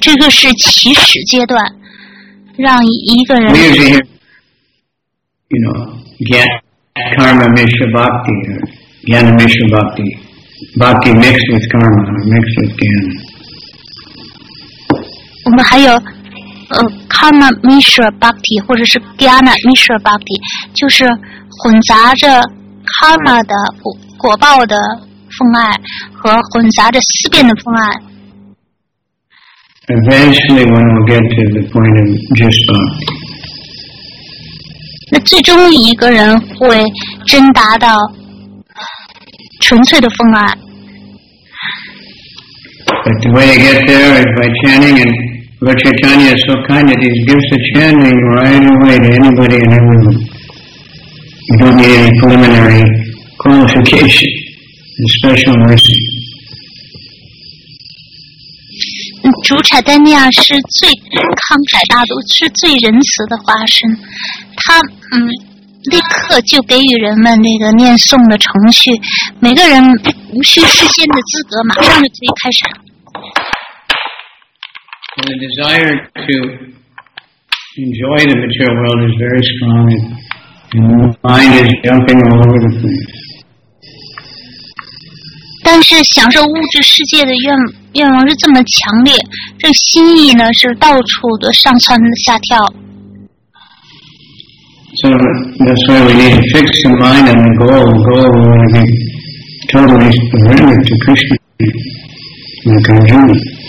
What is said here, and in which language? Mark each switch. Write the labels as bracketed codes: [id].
[zh] 这个是起始阶段，让一个人。 [en] We usually hear, you know, get karma Mishra Bhakti, Jnana Mishra Bhakti. Bhakti mixed with karma, mixed with Jnana. [zh] 我们还有。Karma Mishra Bhakti 或者是 Jnana Mishra Bhakti 就是混杂着 Karma 的果报的风爱和混杂着思辨的风爱。 [en] Eventually when we get to the point of just Bhakti， [zh] 那最终一个人会真达到纯粹的风爱。 [en] But the way you get there is by chanting andLord Chaitanya is so kind that he gives the chanting right away to anybody and everyone. You don't need any preliminary qualification and special mercy. [zh] 主 Chaitanya 是最慷慨大度，是最仁慈的化身。他立刻就给予人们那个念诵的程序，每个人无需事先的资格，马上就可以开始。 [en] The desire to enjoy the material world is very strong, and the mind is jumping all over the place. [zh] 但是享受物质世界的愿望是这么强烈，这心意呢是到处的上蹿下跳。 [en] So that's why we need to fix the mind on the goal. The goal we want to be totally surrendered to Krishna and Arjuna.